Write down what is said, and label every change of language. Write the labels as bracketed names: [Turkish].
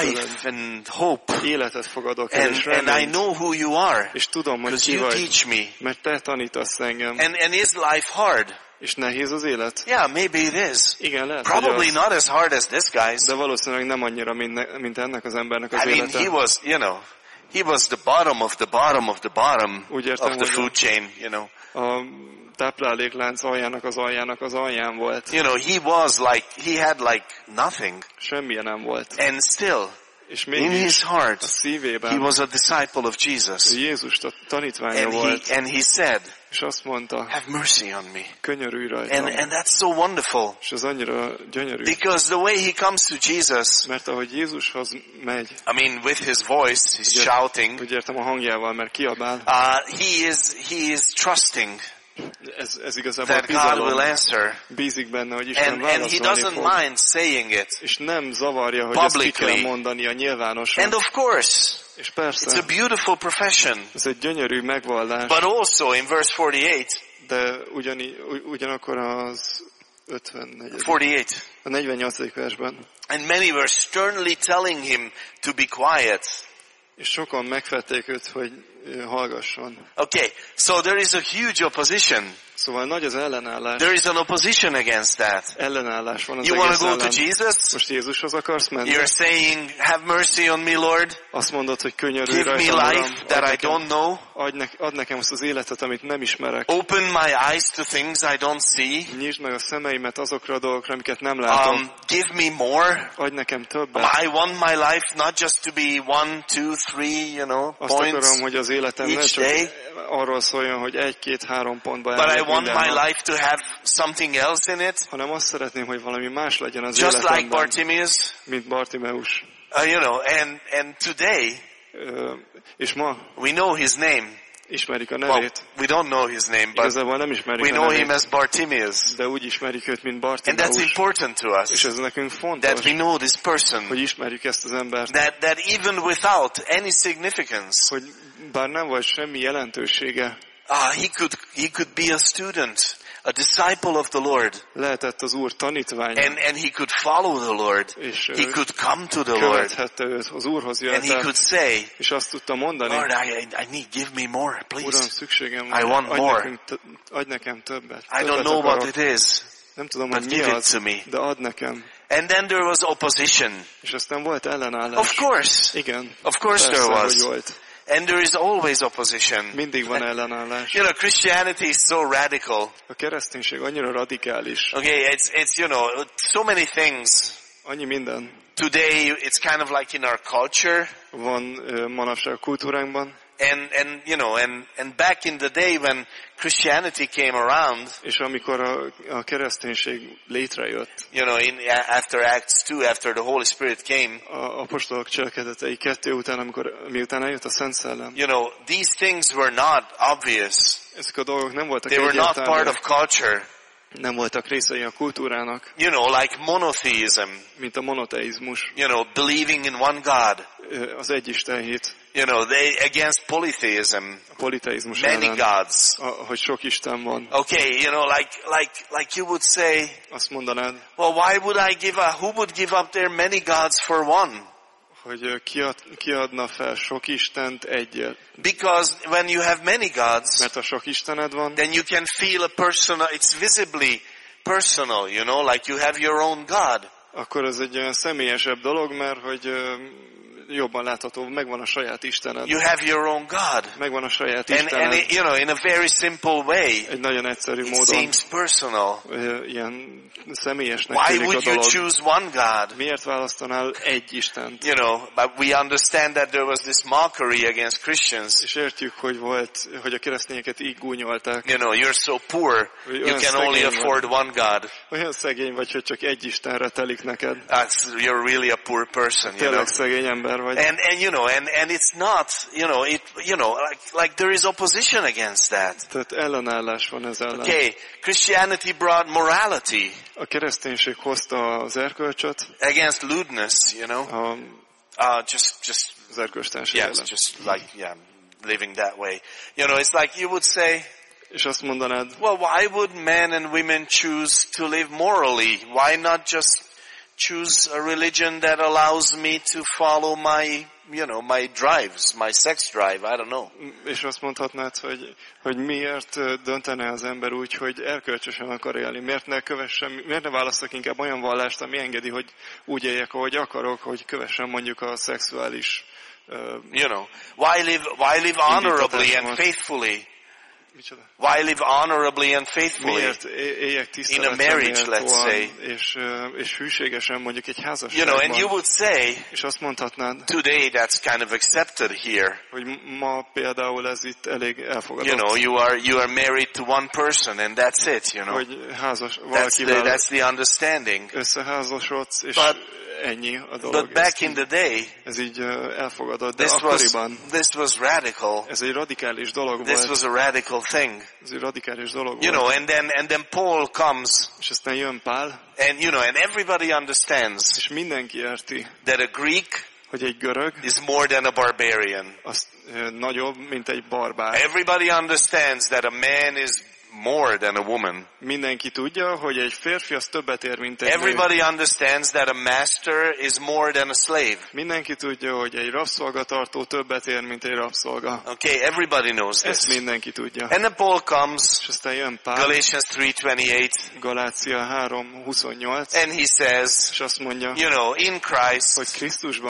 [English] life and hope, [Hungarian] életet fogadok, [English] and [Hungarian] és reményt, [English] and I know who you are, [Hungarian] és tudom, hogy ki [English] you [Hungarian] vagy, [English] teach me, [Hungarian] mert te tanítasz engem, [English] and is life hard? [Hungarian] És nehéz az élet? [English] Yeah, maybe it is. [Hungarian] Igen, lehet. [English] Probably [Hungarian] az, [English] not as hard as this guy's. [Hungarian] De valószínűleg nem annyira, mint ennek az embernek az [English] I [Hungarian] élete. [English] I mean, he was, you know, he was the bottom of the bottom of the bottom of the food chain, you know. [Hungarian] A tápláléklánc aljának az aljának az alján volt. [English] You know, he was like, he had like nothing. [Hungarian] Semmi nem volt. [English] And still, [Hungarian] és mégis, [English] in his heart, [Hungarian] a szívében, [English] he was a disciple of Jesus. [Hungarian] Jézus tanítványa volt. [English] And he said, [Hungarian] és azt mondta, [English] have mercy on me. [Hungarian] Könyörülj rajtam. [English] And that's so wonderful. [Hungarian] És az annyira gyönyörű. [English] Because the way he comes to Jesus, [Hungarian] mert ahogy Jézushoz megy, [English] I mean, with his voice, he's shouting. [Hungarian] Úgy értem, a hangjával, mert kiabál. [English] He is trusting. [Hungarian] Ez igazából [English] that [Hungarian] bizalom. [English] God will answer. [Hungarian] Bízik benne, hogy Isten válaszolni [English] and he doesn't [Hungarian] fog. [English] Mind saying it. [Hungarian] És nem zavarja, hogy ezt ki kell mondani a nyilvánosan. [English] And of course, [Hungarian] és persze, [English] it's a beautiful profession. [Hungarian] Ez egy gyönyörű megvallás. [English] But also in verse 48. [Hungarian] De ugyanakkor az 54. [English] 48. [Hungarian] A 48. versben. [English] And many were sternly telling him to be quiet. [Hungarian] És sokan megfették őt, hogy hallgasson. [English] Okay, so there is a huge opposition. [Hungarian] Szóval nagy az ellenállás. [English] There is an opposition against that. [Hungarian] Ellenállás van az [English] you want to go [Hungarian] ellen. [English] To Jesus? [Hungarian] Most Jézushoz akarsz menni? [English] You're saying, have mercy on me, Lord. [Hungarian] Azt mondod, hogy könyörülj rajtam. [English] Give me life that I don't know. [Hungarian] Add nekem azt az életet, amit nem ismerek. [English] Open my eyes to things I don't see. [Hungarian] Nyisd meg a szemeimet azokra a dolgokra, amiket nem látom. [English] Give me more. [Hungarian] Add nekem többet. [English] I want my life not just to be 1, 2, 3, you know, points. [Hungarian] Azt akarom, hogy az életem ne csak arról szóljon, hogy 1, 2, 3 pontba [English] but I want my life to have something else in it. [Hungarian] Hanem azt szeretném, hogy valami más legyen az [English] just [Hungarian] életemben. [English] Like Bartimaeus. [Hungarian] Mint Bartimeus. [English] You know, and today, [Hungarian] és ma, [English] we know his name. [Hungarian] Ismerik a nevét. [English] Well, we don't know his name, but [Hungarian] igazából nem ismerik [English] we know [Hungarian] nevét, [English] him as Bartimaeus. [Hungarian] De úgy ismerik őt, mint Bartimeus. [English] And that's important to us. [Hungarian] És ez nekünk fontos. [English] That we know this person. [Hungarian] Hogy ismerjük ezt az embert. [English] That even without any significance. [Hungarian] Hogy bár nem volt semmi jelentősége. [English] He could be a student, a disciple of the Lord. [Hungarian] Lehetett az Úr tanítványa. [English] And he could follow the Lord. [Hungarian] És [English] he could come to the Lord. [Hungarian] Az Úrhoz jöhetett. [English] And he could say, [Hungarian] és azt tudta mondani, [English] Lord, I need, give me more, please. [Hungarian] Uram, szükségem van. [English] I want more. [Hungarian] Adj nekem többet. [English] I don't know what it is. [Hungarian] Nem tudom, [English] but [Hungarian] hogy [English] give [Hungarian] mi [English] it [Hungarian] az, [English] to me. [Hungarian] De add nekem. [English] And then there was opposition. [Hungarian] És aztán volt ellenállás. [English] Of course. [Hungarian] Igen. [English] Of course [Hungarian] persze, [English] there was. [Hungarian] Hogy volt. [English] And there is always opposition. [Hungarian] Mindig van ellenállás. [English] You know, Christianity is so radical. [Hungarian] A kereszténység annyira radikális. [English] Okay, it's you know, so many things. [Hungarian] Annyi minden. [English] Today it's kind of like in our culture. [Hungarian] Van manapság kultúránkban. [English] And you know, and back in the day when Christianity came around, [Hungarian] és amikor a kereszténység létrejött, [English] you know, in after Acts 2, after the Holy Spirit came, [Hungarian] a apostolok cselekedetei 2 után, amikor miután eljött a Szent Szellem, [English] you know, these things were not obvious. [Hungarian] Ezek a dolgok nem voltak, [English] they were not part of culture. [Hungarian] Nem voltak részei a kultúrának. [English] You know, like monotheism, [Hungarian] mint a monoteizmus. [English] You know, believing in one God, [Hungarian] az egyisten hit. [English] You know, they against polytheism, [Hungarian] a politeizmus [English] many [Hungarian] ellen, [English] gods, [Hungarian] hogy sok isten van. [English] Okay, you know, like you would say, [Hungarian] azt mondanád, [English] well, why would I give up? Who would give up their many gods for one? [Hungarian] Hogy ki adna fel sok istent egyet? [English] Because when you have many gods, [Hungarian] mert ha sok istened van, [English] then you can feel a personal, it's visibly personal, you know, like you have your own god. [Hungarian] Akkor ez egy olyan személyesebb dolog, mert hogy jobban látható, megvan a saját istened. [English] You have your own god. [Hungarian] Megvan a saját istened. [English] And you know, in a very simple way. [Hungarian] Egy nagyon egyszerű [English] it [Hungarian] módon. [English] Seems personal. [Hungarian] Ilyen személyesnek. [English] Why would you choose one god? [Hungarian] Miért választanál egy istent? [English] You know, but we understand that there was this mockery against Christians. [Hungarian] És értjük, hogy volt, hogy a keresztényeket így gúnyolták. [English] You know, you're so poor. You can only afford one god. [Hungarian] Olyan szegény vagy, hogy csak egy istenre telik neked. [English] You're really a poor person, you know. [Hungarian] Szegény ember. [English] And you know, and it's not, you know, it, you know, like there is opposition against that. [Hungarian] Tehát ellenállás van ez ellen. [English] Okay, Christianity brought morality. [Hungarian] A kereszténység hozta az erkölcsöt. [English] Against lewdness, you know. Just [Hungarian] az erkölcstelenség. [English] Yes, just like, yeah, living that way. You know, it's like you would say, [Hungarian] és azt mondanád, [English] well, why would men and women choose to live morally? Why not just choose a religion that allows me to follow my, you know, my drives, my sex drive, I don't know. [Hungarian] És azt mondhatnád, hogy miért döntene az ember úgy, hogy erkölcsösen akar élni? Miért ne választok inkább olyan vallást, ami engedi, hogy úgy éljek, ahogy akarok, hogy kövessem mondjuk a szexuális, [English] you know, why live honorably and faithfully? [Hungarian] Micsoda? [English] Why live honorably and faithfully? [Hungarian] Miért éljek tiszteletben? [English] In a marriage, let's say. [Hungarian] És hűségesen mondjuk egy házasságban. [English] You know, and you would say, [Hungarian] és azt mondhatnád, [English] today that's kind of accepted here. [Hungarian] Hogy ma például ez itt elég elfogadott. [English] You know, you are married to one person and that's it, you know. [Hungarian] Hogy házas valakivel. [English] That's the understanding. [Hungarian] Összeházasodsz, és [English] but, [Hungarian] ennyi a dolog. [English] But back in the day, [Hungarian] ez így elfogadott, de akkoriban. [English] This was radical. [Hungarian] Ez egy radikális dolog volt. [English] This was a radical thing. [Hungarian] Ez egy radikális dolog volt. [English] You know, and then Paul comes. [Hungarian] És aztán jön Pál. [English] And you know, and everybody understands. [Hungarian] És mindenki érti. [English] That a Greek, [Hungarian] hogy egy görög, [English] is more than a barbarian. [Hungarian] Az nagyobb, mint egy barbár. [English] Everybody understands that a man is more than a woman. [Hungarian] Mindenki tudja, hogy egy férfi az többet ér, mint egy nő. [English] Everybody understands that a master is more than a slave. [Hungarian] Mindenki tudja, hogy egy rabszolgatartó többet ér, mint egy rabszolga. [English] Okay, everybody knows this. [Hungarian] Ezt mindenki tudja. [English] And then Paul comes. [Hungarian] És aztán jön Pál. [English] Galatians 3:28. [Hungarian] Galácia 3:28. [English] And he says, [Hungarian] és azt mondja, [English] you know, in Christ, [Hungarian] hogy Krisztusban,